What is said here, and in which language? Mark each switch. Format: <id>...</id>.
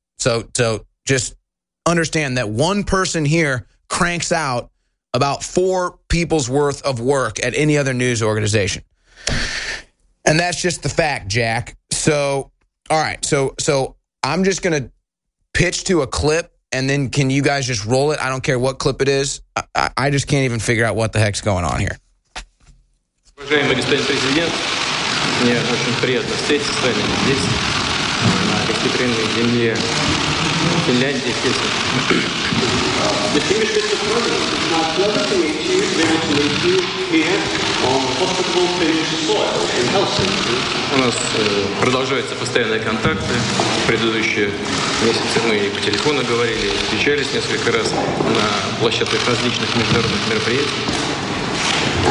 <en>So just understand that one person here cranks out about four people's worth of work at any other news organization. And that's just the fact, Jack. So... All right, so I'm just going to pitch to a clip, and then can you guys just roll it? I don't care what clip it is. I just can't even figure out what the heck's going on here.</en> <ru>Уважаемый господин президент, мне очень приятно встретиться с вами здесь, на гостеприимной земле Финляндии, естественно.</ru> <en>The Finnish president, now pleasant to meet you, here.</en> <ru>У нас продолжаются постоянные контакты. В предыдущие месяцы мы и по телефону говорили, и встречались несколько раз на площадках различных международных мероприятий.</ru>